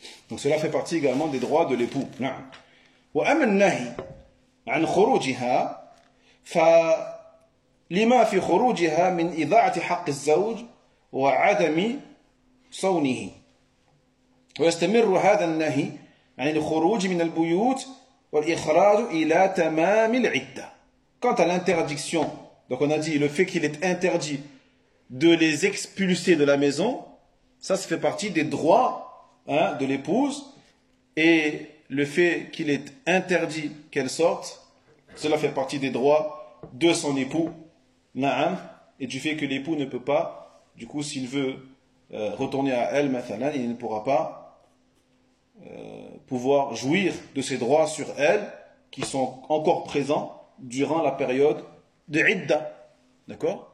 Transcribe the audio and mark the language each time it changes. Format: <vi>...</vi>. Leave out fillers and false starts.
<fr>Donc cela fait partie également des droits de l'époux.</fr> <ar>وأما النهي عن خروجها فلما في خروجها من إضاعة حق الزوج وعدم صونه ويستمر هذا النهي عن الخروج من البيوت والإخراج إلى تمام العدة.</ar> <fr>Quant à l'interdiction, donc on a dit le fait qu'il est interdit de les expulser de la maison, ça se fait partie des droits de l'épouse, et le fait qu'il est interdit qu'elle sorte, cela fait partie des droits de son époux, na'am, et du fait que l'époux ne peut pas, du coup, s'il veut retourner à elle, mathalan, il ne pourra pas pouvoir jouir de ses droits sur elle, qui sont encore présents durant la période de idda, d'accord ?</fr>